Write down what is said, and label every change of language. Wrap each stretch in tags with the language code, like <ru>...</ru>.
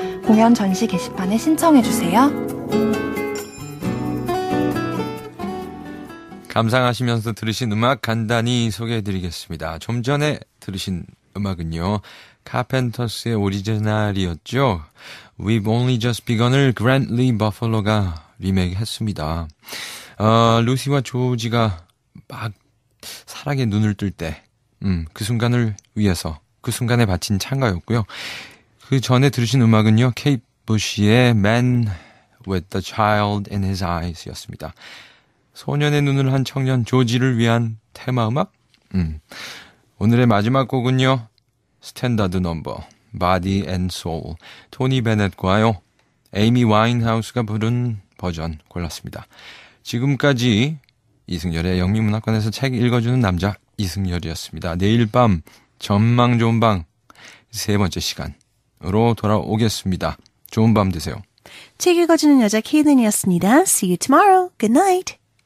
<ko>공연 전시 게시판에 신청해주세요. 감상하시면서 들으신 음악 간단히 소개해드리겠습니다. 좀 전에 들으신 음악은요. 카펜터스의 오리지널이었죠. We've Only Just Begun을 Grant Lee Buffalo가 리메이크했습니다. 루시와 조지가 막 사랑에 눈을 뜰 때 그 순간을 위해서 그 순간에 바친 찬가였고요. 그 전에 들으신 음악은요. 케잇 부시의 Man with the Child in His Eyes였습니다. 소년의 눈을 한 청년 조지를 위한 테마 음악? 오늘의 마지막 곡은요. 스탠다드 넘버, Body and Soul, 토니 베넷과요. 에이미 와인하우스가 부른 버전 골랐습니다. 지금까지 이승열의 영미문학관에서 책 읽어주는 남자 이승열이었습니다. 내일 밤 전망 좋은 방 세 번째 시간으로 돌아오겠습니다. 좋은 밤 되세요. 책 읽어주는 여자 케이든이었습니다.</ko> <en>See you tomorrow. Good night.</en>